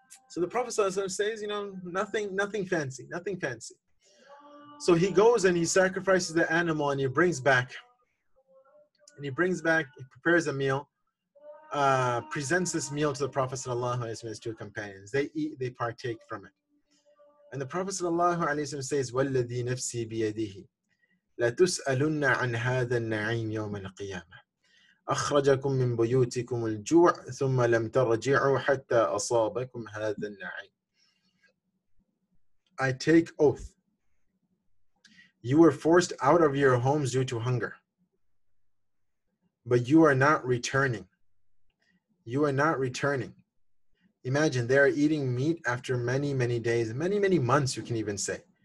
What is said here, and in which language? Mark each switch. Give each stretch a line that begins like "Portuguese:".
English: So the Prophet says, you know, nothing fancy. So he goes and he sacrifices the animal and he brings back, he prepares a meal, presents this meal to the Prophet sallallahu alaihi wasallam, his two companions. They eat, they partake from it.
Arabic: And the Prophet sallallahu alaihi wasallam says, وَالَّذِي نَفْسِي بِيَدِهِ لَتُسْأَلُنَّ عَنْ هَذَا النَّعِيمِ يَوْمَ الْقِيَامَةِ أَخْرَجَكُمْ مِنْ بُيُوتِكُمُ الْجُوعِ ثُمَّ لَمْ تَرْجِعُوا حَتَّى أَصَابَكُمْ هَذَا النَّعِيمِ.
English: I take oath. You were forced out of your homes due to hunger, but you are not returning. You are not returning. Imagine, they are eating meat after many, many days, many, many months, you can even say.